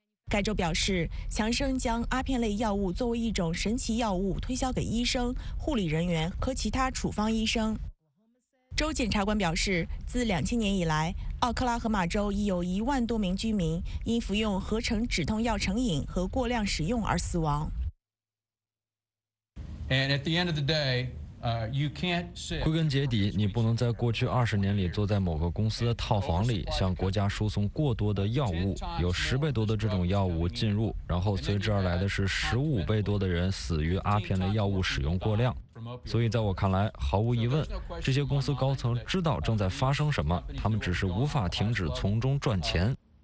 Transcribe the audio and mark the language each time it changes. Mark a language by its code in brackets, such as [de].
[zh] 该州表示，强生将阿片类药物作为一种神奇药物推销给医生、护理人员和其他处方医生。州检察官表示，自2000年以来，奥克拉荷马州已有10,000多名居民因服用合成止痛药成瘾和过量使用而死亡。 [en] And at the end of the day, you can't sit. [zh] 归根结底，你不能在过去20年里坐在某个公司的套房里，向国家输送过多的药物，有10倍多的这种药物进入，然后随之而来的是15倍多的人死于阿片类药物使用过量。所以，在我看来，毫无疑问，这些公司高层知道正在发生什么，他们只是无法停止从中赚钱。